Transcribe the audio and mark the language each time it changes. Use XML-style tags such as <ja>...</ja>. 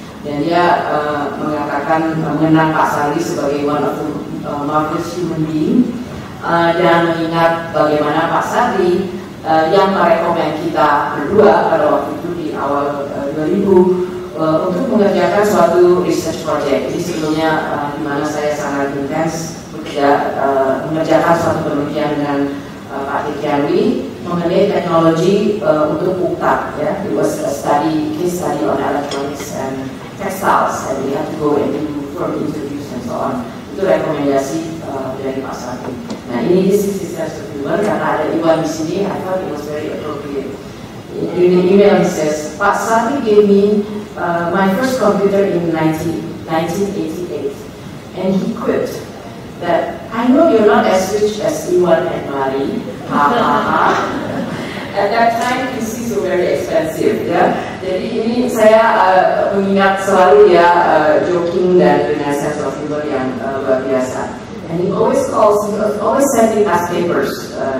<id>Dan dia mengatakan mengenang Pak Sandi sebagai</id> <en>one of the marvelous human being</en> <id>dan mengingat bagaimana Pak Sandi yang merekomend kita berdua pada waktu itu di awal 2000 untuk mengerjakan suatu research project. Ini sebelumnya di mana saya sangat intens bekerja mengerjakan suatu penelitian dengan Pak Tikyanwi mengenai teknologi untuk UKTAP, ya.</id> <en>It was a study, case study on electronics and textiles, and we have to go and do firm interviews and so on.</en> <id>Itu rekomendasi dari Pak Sandi. Nah, ini</id> <en>this is his sense of humor,</en> <id>karena ada Iwan di sini,</id> <en>I thought it was very appropriate. In the email, he says, Pak Sandi gave me my first computer in 1988, and he quipped that, I know you're not as rich as Iwan and Mari, ha ha ha. At that time, PC so very expensive, ya.</en> <id>Jadi ini saya mengingat selalu ya joking dan dengan</id> <en>sense of humor</en> <id>yang luar biasa.</id> <en>And he always calls, he always sending us papers.</en>